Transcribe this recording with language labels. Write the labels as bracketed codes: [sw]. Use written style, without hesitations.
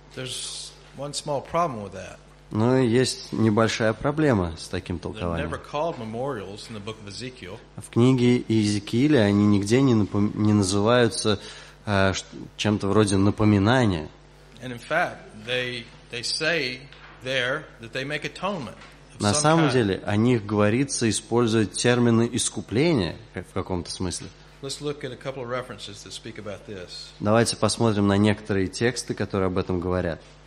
[en] There's one small problem with that. [ru] Но есть небольшая проблема с таким толкованием. [en] They're never called memorials in the book of Ezekiel. [ru] В книге Иезекииля они нигде не называются чем-то вроде напоминания. [en] And in fact, they say there that they make atonement. [ru] На самом деле, о них говорится, используя термины искупления в каком-то смысле. [en] Let's look at a couple of references that speak about this. [ru] Давайте посмотрим на некоторые тексты, которые об этом говорят.